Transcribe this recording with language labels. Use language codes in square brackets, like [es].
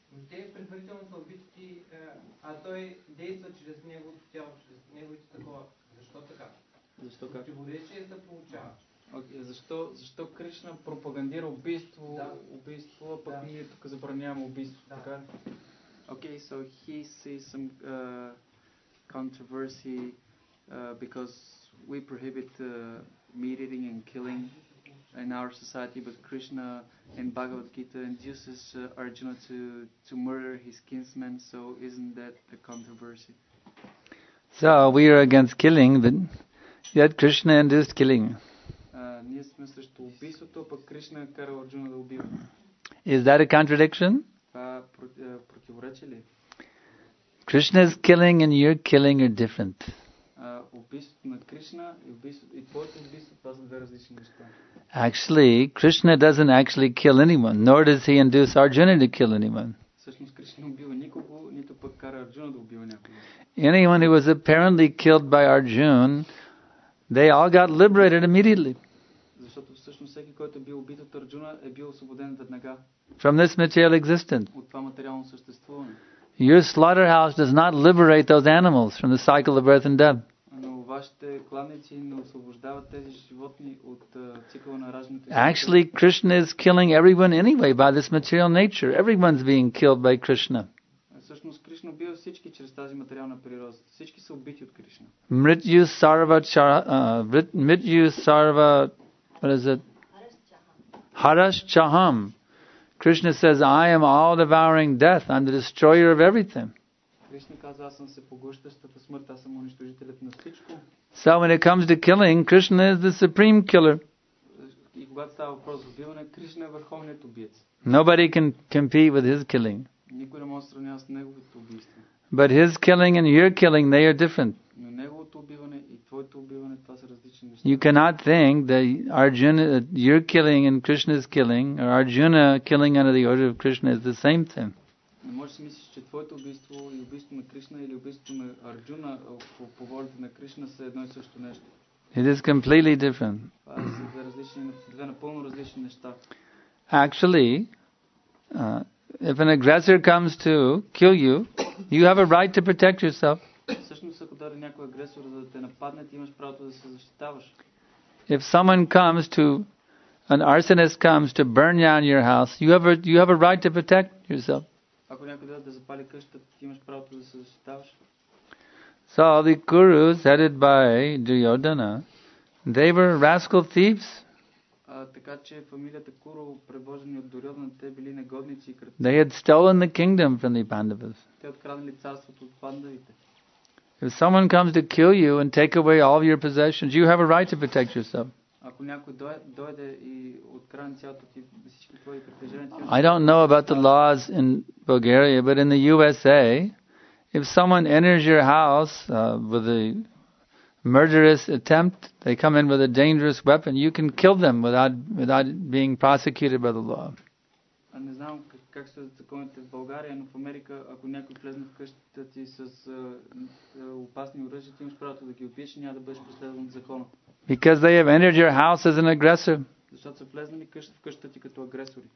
[bg] Те предварително са убити, а той действа чрез неговото тяло, чрез неговите такова. Защо така? Защо как? Противоречие се получава. Okay, защо Кришна пропагандира убийство, да. Убийство, а пък ние тук забраняваме убийство, да. Така ли? [en] Okay, so he sees some controversy because we prohibit meat eating and killing in our society, but Krishna in Bhagavad Gita induces Arjuna to murder his kinsmen, so isn't that the controversy? So we are against killing, but yet Krishna induced killing. [bg] Ние сме срещу убийството, пък Кришна кара Арджуна да убива. [en] Is that a contradiction? [bg] Това противоречи ли? [en] Krishna's killing and your killing are different. [bg] Убийството на Кришна и твоето убийство, това са две различни неща. [en] Actually, Krishna doesn't actually kill anyone, nor does he induce Arjuna to kill anyone. [bg] Всъщност Кришна не убива никого, нито пък кара Арджуна да убива някого. [en] Anyone who was apparently killed by Arjuna, they all got liberated immediately. [bg] Защото всъщност всеки, който е бил убит от Арджуна, е бил освободен веднага. [en] From this material existence. [bg] От това материално съществуване. [en] Your slaughterhouse does not liberate those animals from the cycle of birth and death. [bg] Но вашите кланици не освобождават тези животни от цикъла на раждането. [en] Actually, Krishna is killing everyone anyway by this material nature. Everyone's being killed by Krishna. [bg] Всъщност Кришна убива всички чрез тази материална природа. Всички са убити от Кришна. [sa] Mrityu sarva [en] What is it? [sa] Harash Chaham. [en] Krishna says, I am all devouring death. I'm the destroyer of everything. [bg] Krishna каза, аз съм се поглъщащата смърт, аз съм унищожителят на всичко. [en] So when it comes to killing, Krishna is the supreme killer. [bg] И когато става въпрос за убиване, Кришна е върховният убиец. [en] Nobody can compete with his killing. [bg] Никой не може да сравнява с неговото убийство. [en] But his killing and your killing, they are different. [bg] Но неговото убиване и твоето убиване, това са различни неща. [en] You cannot think that Arjuna, your killing and Krishna's killing, or Arjuna killing under the order of Krishna is the same thing. [bg] Не можеш да мислиш, че твоето убийство и убийство на Кришна или убийство на Арджуна по волята на Кришна са едно и също нещо. [en] It is completely different. [bg] Това са две напълно различни неща. [en] Actually, if an aggressor comes to kill you, you have a right to protect yourself. [bg] Всъщност, ако даде някой агресор за да те нападне, ти имаш правото да се защитаваш. [en] If someone comes to an arsonist comes to burn down your house, you have a right to protect yourself. [bg] Ако някой даде да запали къщата, ти имаш правото да се защитаваш. [en] So the Kurus headed by Duryodhana, they were rascal thieves. [bg] Така че фамилията Куру, превозени от Дурьодана, те били негодници и крадци. [en] They had stolen the kingdom from the Pandavas. [bg] Те откраднали царството от Пандавите. [en] If someone comes to kill you and take away all your possessions, you have a right to protect yourself. [bg] Ако някой дойде и открадне цялото ти, всички твои притежания. [en] I don't know about the laws in Bulgaria, but in the USA, if someone enters your house with a murderous attempt, they come in with a dangerous weapon, you can kill them without being prosecuted by the law. [bg] А не знам как са законите в България, но в Америка, ако някой влезне в къщата ти с опасни оръжия, ти имаш правото да ги убиеш и няма да бъдеш преследван от закона. [en] Because they have entered your house as an aggressor. [bg] Защото са влезнали в къщата ти като агресори.